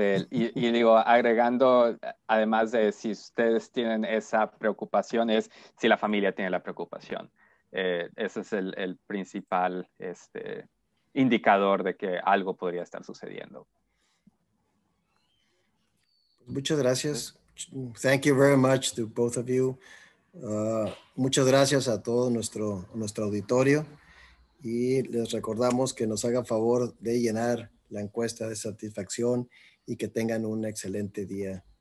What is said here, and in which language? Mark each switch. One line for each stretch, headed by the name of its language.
Spanish: Y digo, agregando, además de si ustedes tienen esa preocupación, es si la familia tiene la preocupación. Ese es el principal indicador de que algo podría estar sucediendo. Muchas gracias.
English: Thank you very much to both of you.
Spanish: Muchas gracias a todo nuestro auditorio. Y les recordamos que nos haga favor de llenar la encuesta de satisfacción y que tengan un excelente día.